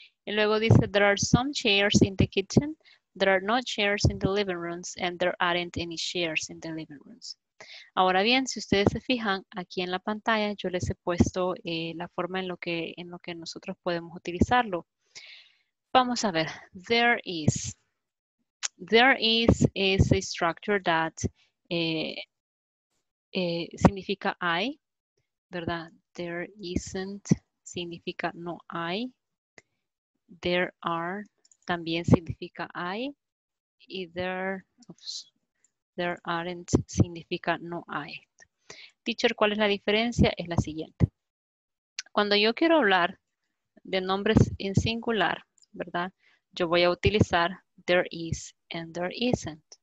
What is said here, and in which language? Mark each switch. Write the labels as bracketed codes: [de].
[es] Y luego dice [en] there are some chairs in the kitchen. There are no chairs in the living rooms. And there aren't any chairs in the living rooms. [es] Ahora bien, si ustedes se fijan aquí en la pantalla, yo les he puesto la forma en lo que nosotros podemos utilizarlo. Vamos a ver, there is. [en] There is a structure that [es] significa hay, ¿verdad? There isn't significa no hay. There are también significa hay. Y there aren't significa no hay. Teacher, ¿cuál es la diferencia? Es la siguiente. Cuando yo quiero hablar de nombres en singular, ¿verdad? Yo voy a utilizar there is and there isn't.